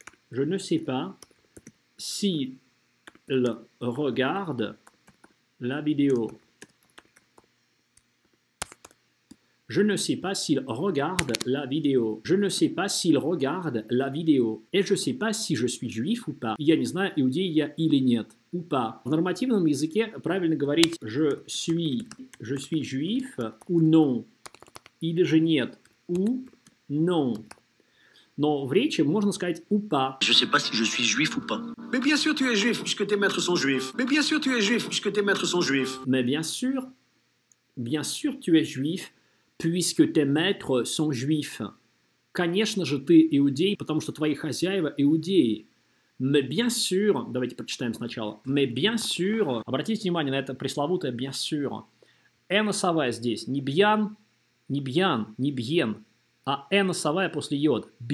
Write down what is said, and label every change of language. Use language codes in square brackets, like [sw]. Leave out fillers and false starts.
[fr] Je ne sais pas si il regarde la vidéo. Je ne sais pas s'il regarde la vidéo. Je ne sais pas s'il regarde la vidéo. Et je sais pas si je suis juif ou pas. [ru] Я не знаю, иудей я или нет, [fr] ou pas. [ru] В нормативном языке правильно говорить [fr] je suis juif ou non. [ru] Или же нет, [fr] ou non. [ru] Но в речи можно сказать [fr] ou pas. Je sais pas si je suis juif ou pas. Mais bien sûr tu es juif puisque tes maîtres sont juifs. Mais bien sûr tu es juif puisque tes maîtres sont juifs. Mais bien sûr tu es juif. Puisque tes maîtres sont juifs. [ru] Конечно же, ты иудей, потому что твои хозяева иудеи. [fr] Mais bien sûr, [ru] давайте прочитаем сначала. Mais [fr] bien sûr, [ru] обратите внимание на это пресловутое bien sûr. Н-носовая здесь. Не бьян, а Н-носовая после йод.